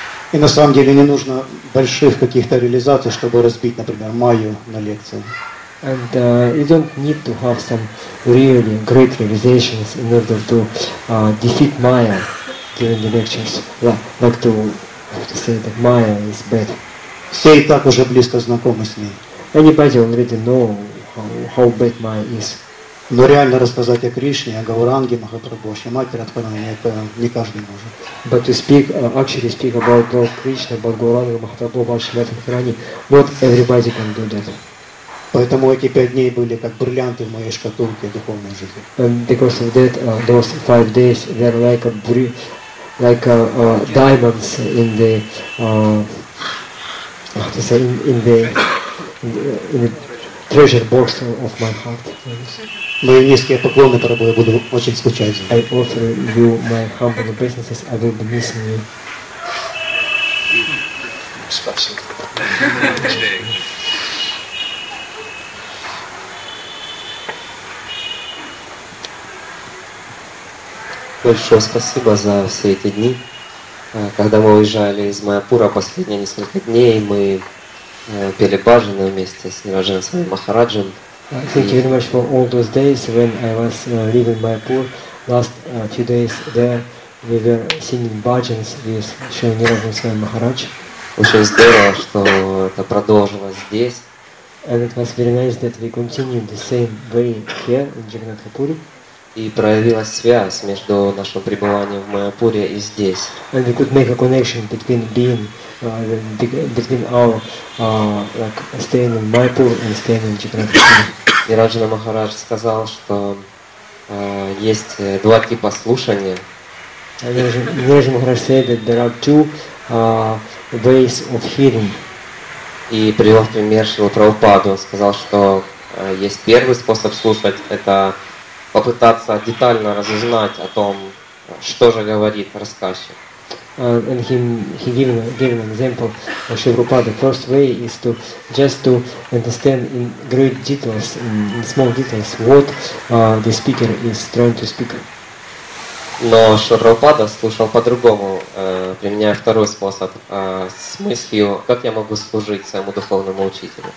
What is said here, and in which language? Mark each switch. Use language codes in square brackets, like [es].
[ru] И на самом деле не нужно больших каких-то реализаций, чтобы разбить, например, майю на лекции. [en] And you don't need to have some really great realizations in order to defeat Maya during the lectures. Like to have to say that Maya is bad. [ru] Все и так уже близко знакомы с ней. [en] Anybody already know how bad Maya is. [ru] Но реально рассказать о Кришне, о Гауранге, Махапрабху, Шримати Радхарани, это не каждый может. [en] But to actually speak about Lord Krishna, about Гауранга, Махапрабху, about Шримати Радхарани, not everybody can do that. [ru] Поэтому эти 5 дней были как бриллианты в моей шкатулке духовной жизни. [en] And because of that, those 5 days were like diamonds in the how to say in the treasure box of my heart. [ru] Мои низкие поклоны Прабху, я буду очень скучать. [en] I offer you my humble obeisances. I will be missing you. [ru] Большое спасибо за все эти дни. Когда мы уезжали из Майяпура последние несколько дней, мы пели баджаны вместе с Нираджан Свами Махараджем. [en] Thank you very much for all those days when I was leaving Майяпур. Last few days there, we were singing bhajans with Шри Нираджан Свами Махарадж. [ru] Очень здорово, что это продолжилось здесь. [en] And it was very nice that we continued the same way here in Jagannathapuri. [ru] И проявилась связь между нашим пребыванием в Майяпуре и здесь. [en] And we could make a connection between being between our like staying in Майяпур and staying in Jagannathapuri. [ru] И Раджана Махарадж сказал, что есть два типа слушания. [en] And Раджана Махарадж said that there are two ways of hearing. [ru] И привел пример Шрилы Прабхупады. Он сказал, что есть первый способ слушать, это попытаться детально разузнать о том, что же говорит рассказчик. [en] And he gave an example of Шрилы Прабхупады. The first way is to just to understand in great details, in small details, what the speaker is trying to speak. [ru] Но Шрила Прабхупада слушал по-другому, применяя второй способ, с мыслью, как я могу служить своему духовному учителю.